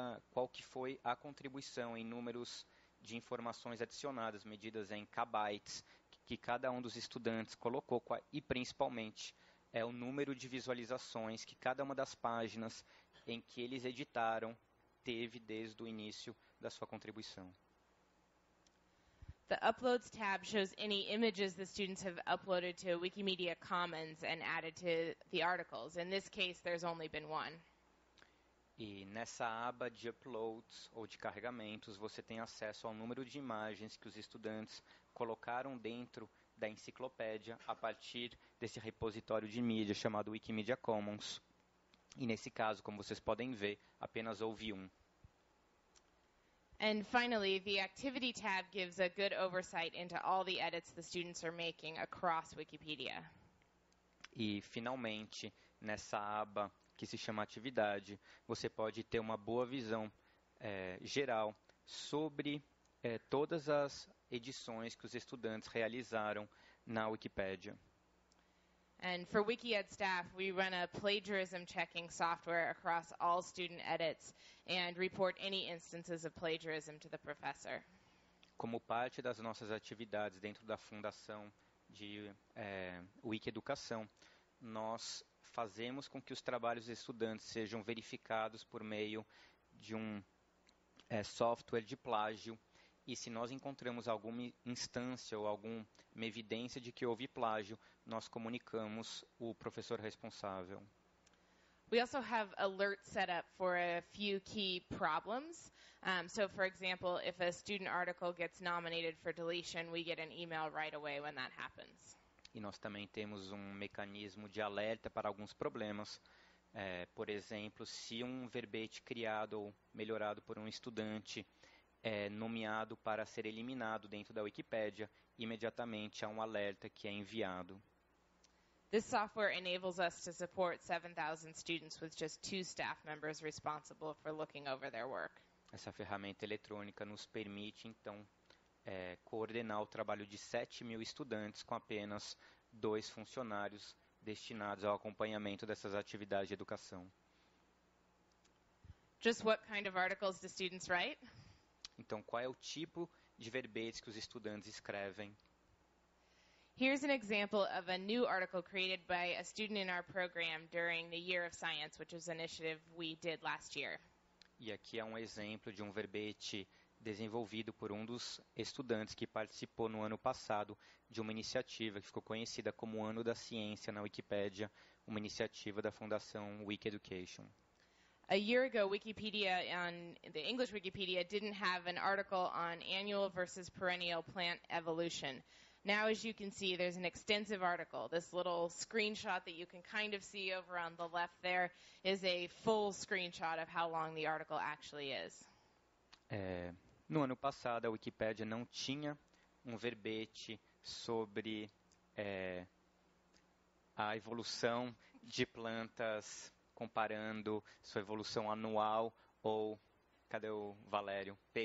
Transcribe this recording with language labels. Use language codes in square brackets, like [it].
[pt] qual que foi a contribuição em números de informações adicionadas, medidas em kbytes, que cada um dos estudantes colocou, e principalmente o número de visualizações que cada uma das páginas em que eles editaram teve desde o início da sua contribuição. [en] The Uploads tab shows any images the students have uploaded to Wikimedia Commons and added to the articles. In this case, there's only been one. [pt] E nessa aba de uploads ou de carregamentos, você tem acesso ao número de imagens que os estudantes colocaram dentro da enciclopédia a partir desse repositório de mídia chamado Wikimedia Commons, E nesse caso, como vocês podem ver, apenas houve um. [en] And finally, the activity tab gives a good oversight into all the edits the students are making across Wikipedia. [pt] E finalmente, nessa aba que se chama atividade, você pode ter uma boa visão geral sobre todas as edições que os estudantes realizaram na Wikipédia. [en] And for WikiEd staff, we run a plagiarism checking software across all student edits and report any instances of plagiarism to the professor. [pt] Como parte das nossas atividades dentro da Fundação de Wiki Educação, nós fazemos com que os trabalhos dos estudantes sejam verificados por meio de um software de plágio. E se nós encontramos alguma instância ou alguma evidência de que houve plágio, nós comunicamos o professor responsável. [en] We also have alerts set up for a few key problems. So, for example, if a student article gets nominated for deletion, we get an email right away when that happens. [pt] E nós também temos um mecanismo de alerta para alguns problemas. Por exemplo, se um verbete criado ou melhorado por um estudante é nomeado para ser eliminado dentro da Wikipédia, imediatamente há um alerta que é enviado. [en] This software enables us to support 7,000 students with just two staff members responsible for looking over their work. [pt] Essa ferramenta eletrônica nos permite, então, coordenar o trabalho de 7,000 estudantes com apenas dois funcionários destinados ao acompanhamento dessas atividades de educação. [en] Just what kind of articles do students write? [pt] Então, qual é o tipo de verbetes que os estudantes escrevem? [en] Here's an example of a new article created by a student in our program during the Year of Science, which was an initiative we did last year. [pt] E aqui é um exemplo de um verbete desenvolvido por um dos estudantes que participou no ano passado de uma iniciativa que ficou conhecida como Ano da Ciência na Wikipédia, uma iniciativa da Fundação Wiki Education. [en] A year ago, Wikipedia, on the English Wikipedia, didn't have an article on annual versus perennial plant evolution. Now, as you can see, there's an extensive article. This little screenshot that you can kind of see over on the left there is a full screenshot of how long the article actually is. [pt] No ano passado, a Wikipédia não tinha um verbete sobre a evolução de plantas, comparando sua evolução anual ou, cadê o Valério?